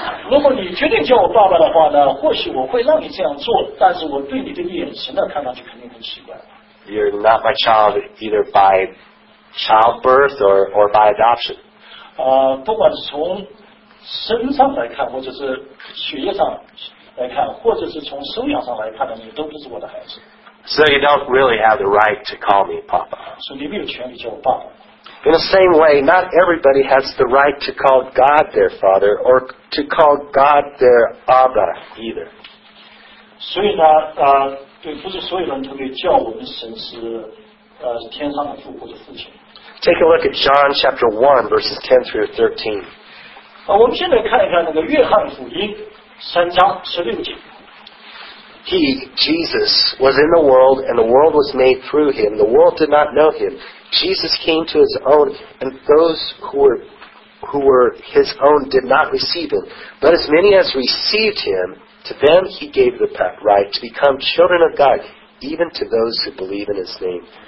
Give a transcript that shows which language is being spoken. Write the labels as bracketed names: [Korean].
[Chinese] 如果你决定叫我爸爸的话呢，或许我会让你这样做，但是我对你的眼神呢，看上去肯定很奇怪。 [English] You're not my child either by childbirth or by adoption. [Chinese] 不管是从身上来看，或者是血液上来看，或者是从收养上来看呢，你都不是我的孩子。 [English] So you don't really have the right to call me Papa. [Chinese] So 你没有权利叫我爸爸。 [English] In the same way, not everybody has the right to call God their father or to call God their Abba either. [Chinese] 所以呢，对，不是所有人都可以叫我们神是天上的父或者父亲。 [English] Take a look at John chapter 1 verses 10 through 13. [Chinese] 我们现在看一看那个约翰福音三章十六节。 [English] He, Jesus, was in the world, and the world was made through him. The world did not know him. Jesus came to his own, and those who were his own did not receive him. But as many as received him, to them he gave the right to become children of God, even to those who believe in his name,